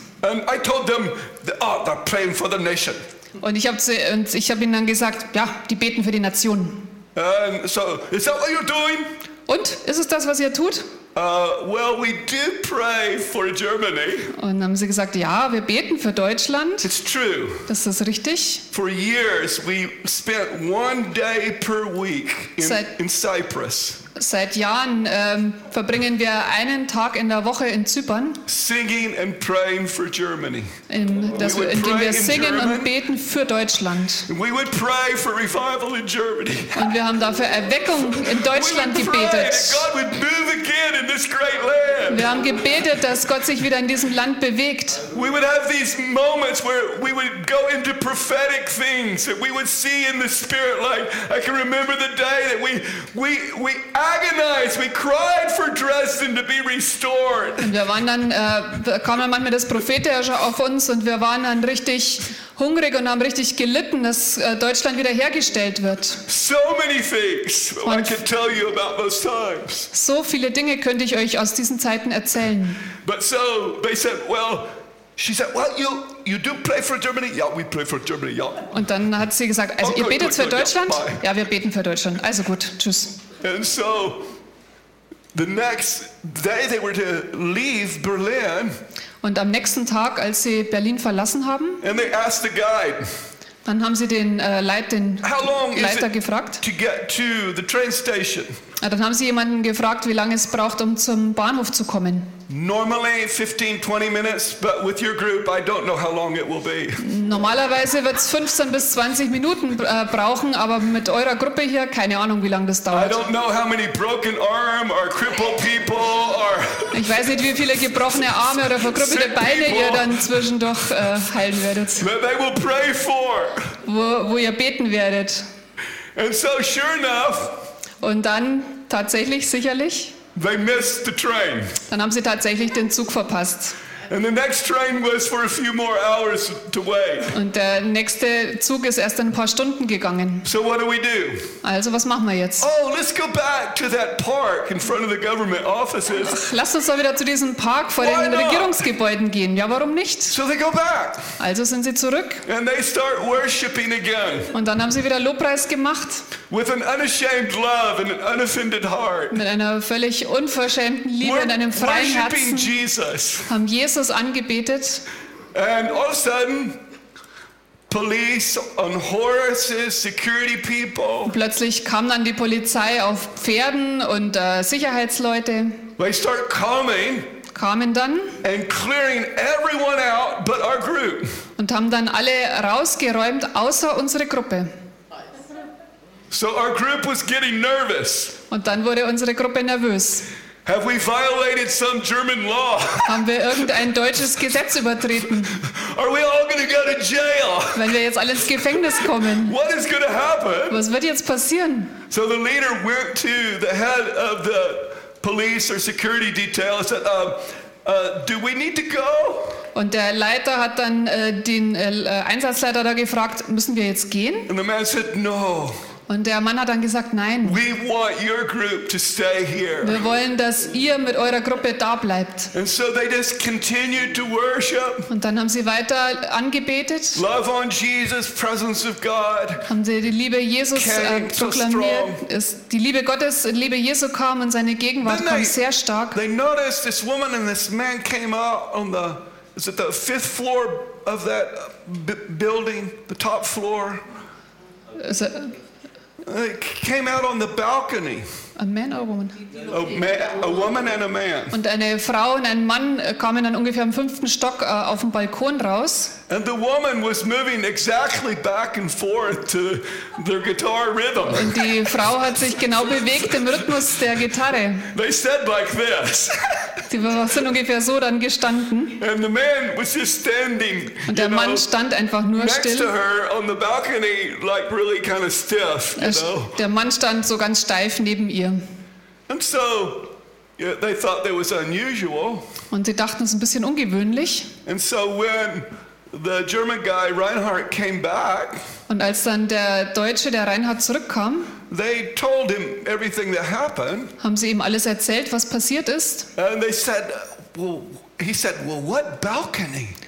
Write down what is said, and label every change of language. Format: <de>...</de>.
<en>And I told them, they're praying for the nation.</en> <de>Und ich hab ihnen dann gesagt, ja, die beten für die Nation.</de> <en>And so, is that what you're doing?</en> <de>Und ist es das, was ihr tut?</de> <en>Well, we do pray for Germany.</en> <de>Und haben sie gesagt, ja, wir beten für Deutschland.</de> <en>It's true.</en> <de>Das ist richtig.</de> <en>For years we spent one day per week in Cyprus.</en> <de>Seit Jahren verbringen wir einen Tag in der Woche in Zypern.</de> <en>Singing and praying for Germany.</en> <de>Indem wir singen und beten für Deutschland.</de> <en>We would pray for revival in Germany.</en> <de>Und wir haben dafür Erweckung in Deutschland gebetet.</de> <en>God would move again in this great land.</en> <de>Wir haben gebetet, dass Gott sich wieder in diesem Land bewegt.</de> <en>We would have these moments where we would go into prophetic things that we would see in the spirit. Like I can remember the day that we agonized, we cried for Dresden to be restored.</en> <de>Und wir waren dann, kam dann manchmal das Prophetische auf uns und wir waren dann richtig hungrig und haben richtig gelitten, dass Deutschland wiederhergestellt wird.</de> <en>So many things I could tell you about those times.</en> <de>So viele Dinge könnte ich euch aus diesen Zeiten erzählen.</de> <en>But so they said, well, she said, well, you do pray for Germany? Yeah, we pray for Germany. Yeah.</en> <de>Und dann hat sie gesagt, also ihr betet für Deutschland? Ja, wir beten für Deutschland. Also gut, tschüss.</de> <en>And so the next day they were to leave Berlin.</en> <de>Und am nächsten Tag, als sie Berlin verlassen haben,</de> <en>and they asked the guide,</en> <de>dann haben sie den Leiter gefragt.</de> <en>To get to the train station?</en> <de>Ja, dann haben sie jemanden gefragt, wie lange es braucht, um zum Bahnhof zu kommen.</de> <en>Normally 15, 20 minutes, but with your group, I don't know how long it will be.</en> <de>Normalerweise wird es 15 bis 20 Minuten brauchen, aber mit eurer Gruppe hier, keine Ahnung, wie lange das dauert.</de> <en>I don't know how many broken arms or crippled people or.</en> <de>Ich weiß nicht, wie viele gebrochene Arme oder verkrüppelte Beine ihr dann zwischendurch heilen werdet.</de> <en>That they will pray for.</en> <de>Wo ihr beten werdet.</de> <en>And so sure enough.</en> <de>Und dann tatsächlich sicherlich.</de> <en>They missed the train.</en> <de>Dann haben sie tatsächlich den Zug verpasst.</de> <en>And the next train was for a few more hours to wait.</en> <de>Und der nächste Zug ist erst in ein paar Stunden gegangen.</de> <en>So what do we do?</en> <de>Also was machen wir jetzt?</de> <en>Oh, let's go back to that park in front of the government offices.</en> <de>Lass uns doch wieder zu diesem Park vor den Regierungsgebäuden gehen. Ja, warum nicht?</de> <en>So they go back.</en> <de>Also sind sie zurück.</de> <en>And they start worshiping again.</en> <de>Und dann haben sie wieder Lobpreis gemacht.</de> <en>With an unashamed love and an unoffended heart.</en> <de>Mit einer völlig unverschämten Liebe und einem freien Herzen.</de> <en>Worshiping Jesus.</en> <de>Haben Jesus angebetet.</de> <en>And all of a sudden, police on horses, security people.</en> <de>Plötzlich kam dann die Polizei auf Pferden und Sicherheitsleute.</de> <en>They start coming.</en> <de>Kamen dann.</de> <en>And clearing everyone out but our group.</en> <de>Und haben dann alle rausgeräumt außer unsere Gruppe.</de> <en>So our group was getting nervous.</en> <de>Und dann wurde unsere Gruppe nervös.</de> <en>Have we violated some German law?</en> <de>Haben wir irgendein deutsches Gesetz übertreten?</de> <en>Are we all going to go to jail?</en> <de>Wenn wir jetzt alle ins Gefängnis kommen?</de> <en>What is going to happen?</en> <de>Was wird jetzt passieren?</de> <en>So the leader went to the head of the police or security detail and said, Do we need to go?</en> <de>Und der Leiter hat dann Einsatzleiter da gefragt, müssen wir jetzt gehen?</de> <en>And the man said, no.</en> <de>Und der Mann hat dann gesagt, nein.</de> <en>We want your group to stay here.</en> <de>Wir wollen, dass ihr mit eurer Gruppe da bleibt.</de> <en>And so they just continued to worship.</en> <de>Und dann haben sie weiter angebetet.</de> <en>Love on Jesus, presence of God.</en> <de>Haben sie die Liebe Jesus proklamiert. Die Liebe Gottes, Liebe Jesu kam und seine Gegenwart kam sehr stark.</de> <en>They noticed this woman and this man came out on the, is it the fifth floor of that building, the top floor. They came out on the balcony. A man or a woman? A woman and a man.</en> <de>Und eine Frau und ein Mann kamen dann ungefähr am fünften Stock auf dem Balkon raus.</de> <en>And the woman was moving exactly back and forth to their guitar rhythm.</en> <de>Und die Frau hat sich genau bewegt im Rhythmus der Gitarre.</de> <en>They said like this.</en> <de>Die sind ungefähr so dann gestanden.</de> <en>And the man was just standing.</en> <de>Und der Mann stand einfach nur still.</de> <en>Next to her on the balcony, like really kind of stiff,</en> <de>Der Mann stand so ganz steif neben ihr.</de> <en>And so they thought that was unusual.</en> <de>Und sie dachten, es ist ein bisschen ungewöhnlich.</de> <en>And so when the German guy Reinhardt came back.</en> <de>Und als dann der Deutsche, der Reinhardt, zurückkam,</de> <en>they told him everything that happened.</en> <de>Haben sie ihm alles erzählt, was passiert ist.</de> <en>And they said, well, he said, well, what balcony?</en>